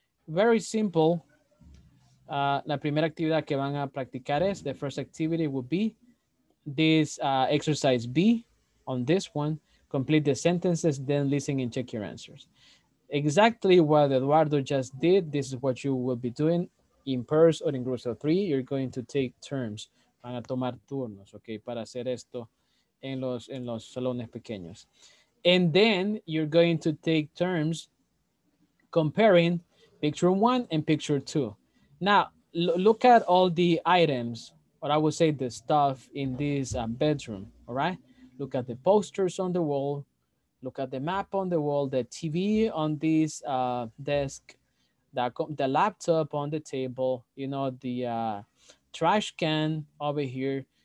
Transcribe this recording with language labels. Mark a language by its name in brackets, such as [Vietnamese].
[English] very simple. [Spanish] La primera actividad que van a practicar es, [English] the first activity would be this exercise B on this one. Complete the sentences, then listen and check your answers. Exactly what Eduardo just did, this is what you will be doing in pairs or in groups of three. You're going to take turns. [Spanish] Van a tomar turnos, okay, para hacer esto en los salones pequeños. [English] And then you're going to take turns comparing picture one and picture two. Now, look at all the items, or I would say the stuff in this bedroom, all right? Look at the posters on the wall. Look at the map on the wall, the TV on this desk, the laptop on the table, you know, the trash can over here.